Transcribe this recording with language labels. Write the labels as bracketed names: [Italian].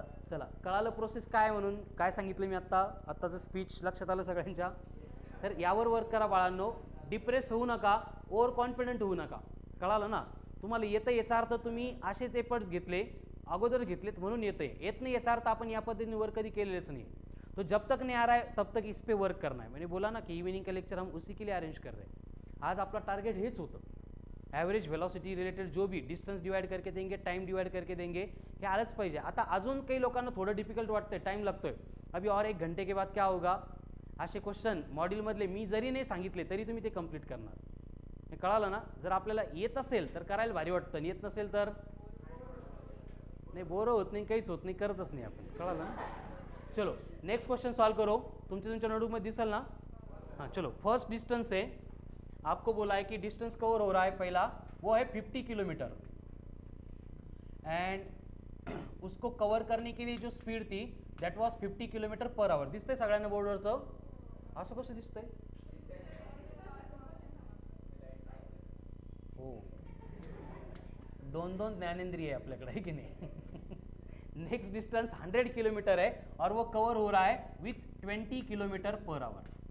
[Marathi] चला कळालं प्रोसेस काय म्हणून काय सांगितलं मी आत्ता आत्ताचं स्पीच लक्षात आलं सगळ्यांच्या. तर यावर वर्क करा बाळांनो, डिप्रेस होऊ नका, ओवर कॉन्फिडंट होऊ नका. कळालं ना तुम्हाला? येतं याचा अर्थ तुम्ही असेच एफर्ट्स घेतले अगोदर घेतलेत म्हणून येतं आहे. येत नाही याचा अर्थ आपण या पद्धतीने वर्क कधी केलेलेच नाही. [Hindi] तो जब तक नहीं आ रहा है तब तक इस पर वर्क करना है. मैंने बोला ना कि इवनिंग का लेक्चर हम उसी के लिए अरेंज कर रहे हैं. आज आपका टारगेट हेच होता, ऐवरेज वेलॉसिटी रिलेटेड जो भी डिस्टन्स डिवाइड करके देंगे, टाइम डिवाइड करके देंगे, ये आलच पाहिजे. [Marathi] आता अजून काही लोकांना थोडं डिफिकल्ट वाटतं, [Hindi] टाइम लगते है अभी और एक घंटे के बाद क्या होगा, [Marathi] असे क्वेश्चन मॉड्यूलमधले मी जरी नाही सांगितले तरी तुम्ही ते कंप्लीट करणार. हे कळालं ना? जर आपल्याला येत असेल तर करायला भारी वाटतं, आणि येत नसेल तर नाही बोरं होत नाही, काहीच होत नाही, करतच नाही आपण. कळालं ना? [Hindi] चलो नेक्स्ट क्वेश्चन सॉल्व करो. [Marathi] तुमच्या तुमच्या नोटबुकमध्ये दिसेल ना. [Hindi] हां चलो, [Marathi] फर्स्ट डिस्टन्स आहे, [Hindi] आपको बोला है कि डिस्टन्स कवर हो रहा है पहिला, वो है 50 किलोमीटर. अँड उसको कवर करने के लिए जो स्पीड थी that was 50 kilometre per hour. [Marathi] दिसतंय सगळ्यांना बोर्डवरचं? असं कसं दिसतंय? हो, दोन दोन ज्ञानेंद्रिय आहे आपल्याकडे, की नाही? [Hindi] नेक्स्ट डिस्टन्स 100 किलोमीटर आहे और वो कवर हो रहा है विथ 20 किलोमीटर पर आवर.